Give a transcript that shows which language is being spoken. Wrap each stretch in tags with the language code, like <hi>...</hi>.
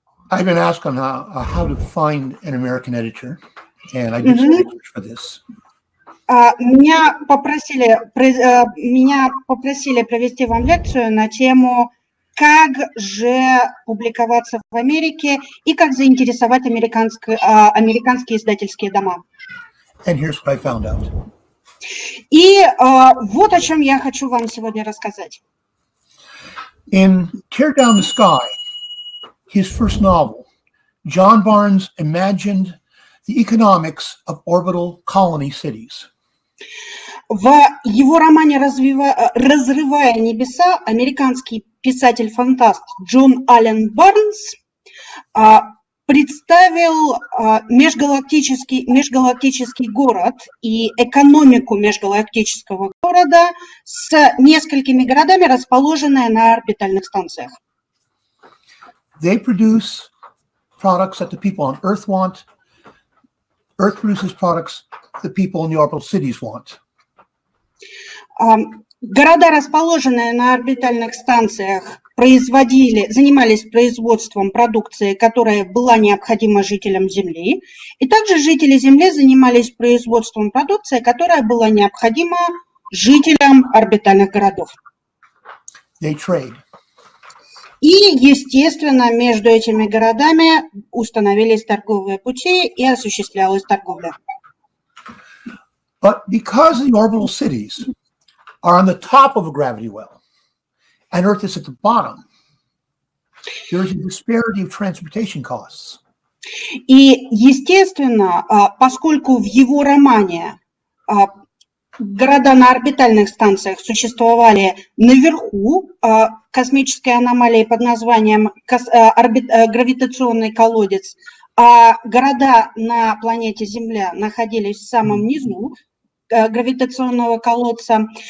<en>I've been asked on how to find an American editor, and I did some research for this.</en> <ru>Меня попросили провести вам лекцию на тему, как же публиковаться в Америке и как заинтересовать американские издательские дома.</ru> <en>And here's what I found out.</en> <ru>И вот о чем я хочу вам сегодня рассказать.</ru> <en>In Tear Down the Sky, his first novel, John Barnes imagined the economics of orbital colony cities.</en> <ru>В его романе «Разрывая небеса» американский писатель-фантаст Джон Аллен Барнс представил межгалактический город и экономику межгалактического города с несколькими городами, расположенные на орбитальных станциях.</ru> <en>They produce products that the people on Earth want. Earth produces products the people in the orbital cities want.</en> <ru>Города, расположенные на орбитальных станциях, занимались производством продукции, которая была необходима жителям Земли. И также жители Земли занимались производством продукции, которая была необходима жителям орбитальных городов.</ru> <en>They trade.</en> <ru>И, естественно, между этими городами установились торговые пути и осуществлялась торговля.</ru> <en>But because the orbital cities are on the top of a gravity well, and Earth is at the bottom, there is a disparity of transportation costs.</en> <ru>И, естественно, поскольку в его романе города на орбитальных станциях существовали наверху космической аномалии под названием гравитационный колодец, а города на планете Земля находились в самом низу гравитационного колодца,</ru>